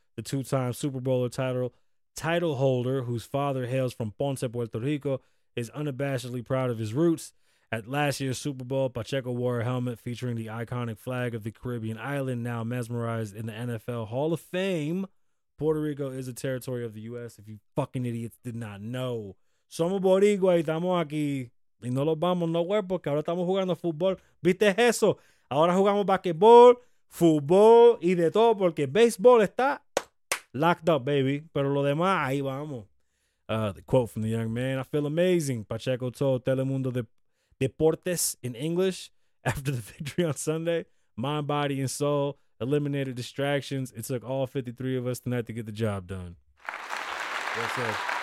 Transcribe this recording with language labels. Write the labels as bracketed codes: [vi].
[en] The two-time Super Bowler title holder, whose father hails from Ponce, Puerto Rico, is unabashedly proud of his roots. At last year's Super Bowl, Pacheco wore a helmet featuring the iconic flag of the Caribbean island, now mesmerized in the NFL Hall of Fame. Puerto Rico is a territory of the U.S., if you fucking idiots did not know. [es] Somos boricua y estamos aquí. Y no lo vamos [en] nowhere [es] porque ahora estamos jugando fútbol. ¿Viste eso? Ahora jugamos basquetbol, fútbol y de todo porque baseball está [en] locked up, baby. [es] Pero lo demás, ahí vamos. [en] The quote from the young man, I feel amazing. Pacheco told Telemundo Deportes in English after the victory on Sunday. Mind, body, and soul. Eliminated distractions. It took all 53 of us tonight to get the job done. Well said.